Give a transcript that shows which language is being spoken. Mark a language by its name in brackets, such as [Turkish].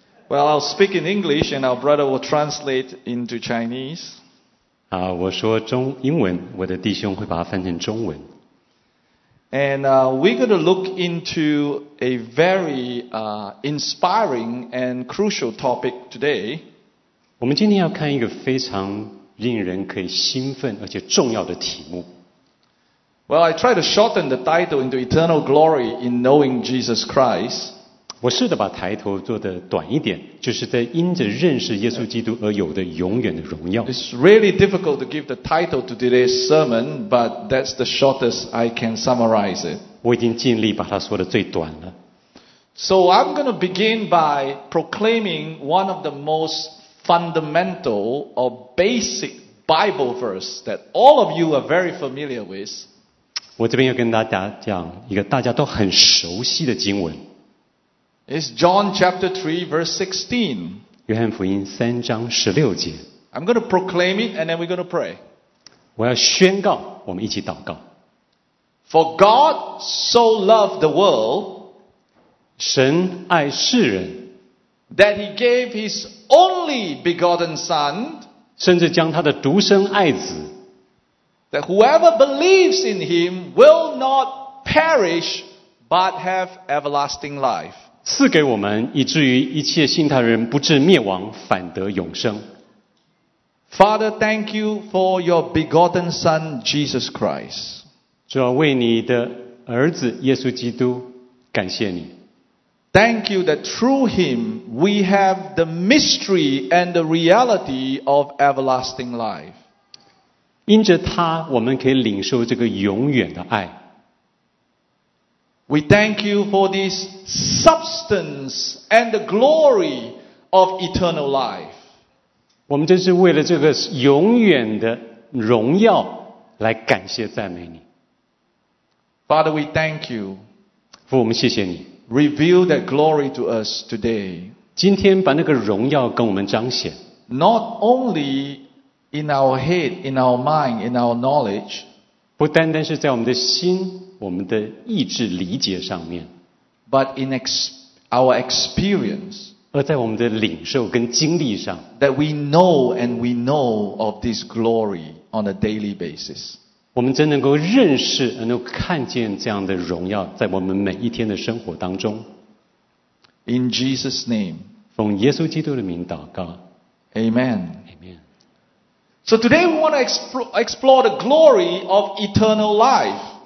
[English] Well, I'll speak in English, and our brother will translate into Chinese. [Chinese] 我说中英文，我的弟兄会把它翻成中文。 [English] And we're going to look into a very inspiring and crucial topic today. [Chinese] 我们今天要看一个非常令人可以兴奋而且重要的题目。 [English] Well, I try to shorten the title into eternal glory in knowing Jesus Christ. [Chinese] 我试着把抬头做得短一点，就是在因着认识耶稣基督而有的永远的荣耀。 [English] It's really difficult to give the title to today's sermon, but that's the shortest I can summarize it. [Chinese] 我已经尽力把它说得最短了。 [English] So I'm going to begin by proclaiming one of the most fundamental or basic Bible verse that all of you are very familiar with. [Chinese] 我这边要跟大家讲一个大家都很熟悉的经文。 [English] It's John chapter 3 verse 16. [Chinese] 约翰福音三章十六节。 [English] I'm going to proclaim it and then we're going to pray. [Chinese] 我要宣告，我们一起祷告。 [English] For God so loved the world, [Chinese] 神爱世人 [English] that he gave his only begotten son, [Chinese] 甚至将他的独生爱子 [English] That whoever believes in him will not perish, but have everlasting life. [Chinese] 赐给我们以至于一切信他人不至灭亡，反得永生。 [English] Father, thank you for your begotten Son, Jesus Christ. [Chinese] 主要为你的儿子耶稣基督感谢你。 [English] Thank you that through him we have the mystery and the reality of everlasting life. [Chinese] 因着他，我们可以领受这个永远的爱。 [English] We thank you for this substance and the glory of eternal life. [Chinese] 我们真是为了这个永远的荣耀来感谢赞美你。 [English] Father, we thank you. [Chinese] 父，我们谢谢你。 [English] Reveal that glory to us today. [Chinese] 今天把那个荣耀跟我们彰显。 [English] Not only. In our head, in our mind, in our knowledge, [Chinese] 不单单是在我们的心、我们的意志、理解上面 [English] but in our experience, [Chinese] 而在我们的领受跟经历上 [English] that we know and we know of this glory on a daily basis. [Chinese] 我们真能够认识、能够看见这样的荣耀在我们每一天的生活当中。 [English] In Jesus' name, [Chinese] 奉耶稣基督的名祷告。 [English] Amen. So today we want to explore the glory of eternal life.